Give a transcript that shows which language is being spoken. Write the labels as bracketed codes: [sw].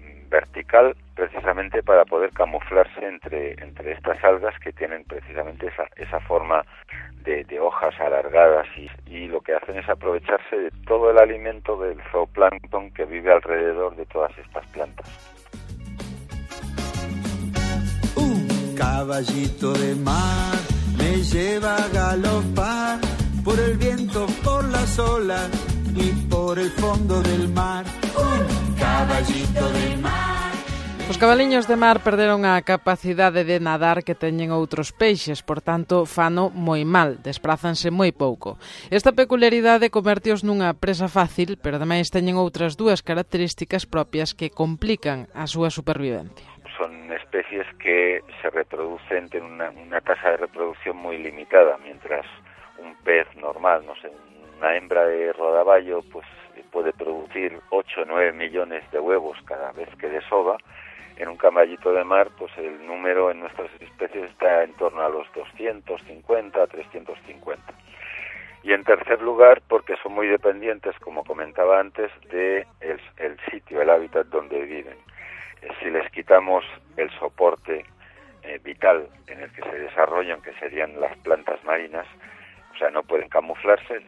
[es] vertical, precisamente para poder camuflarse entre estas algas que tienen precisamente esa forma de hojas alargadas, y lo que hacen es aprovecharse de todo el alimento del zooplancton que vive alrededor de todas estas plantas. Un caballito de mar me lleva a galopar por el viento, por las olas y por el fondo del mar. Un caballito de mar. [gl] Os cabaliños de mar perderon a capacidade de nadar que teñen outros peixes, por tanto, fano moi mal, desprázanse moi pouco. Esta peculiaridade convertíos nunha presa fácil, pero ademais teñen outras dúas características propias que complican a súa supervivencia. [es] Son especies que se reproducen, [gl] ten unha tasa de reproducción moi limitada, [es] mientras un pez normal, [gl] non sei, unha hembra de rodaballo, pues, pode producir 8 ou 9 millóns de huevos cada vez que desova. [es] En un caballito de mar, pues el número en nuestras especies está en torno a los 250, 350. Y en tercer lugar, porque son muy dependientes, como comentaba antes, del sitio, el hábitat donde viven. Si les quitamos el soporte vital en el que se desarrollan, que serían las plantas marinas, o sea, no pueden camuflarse.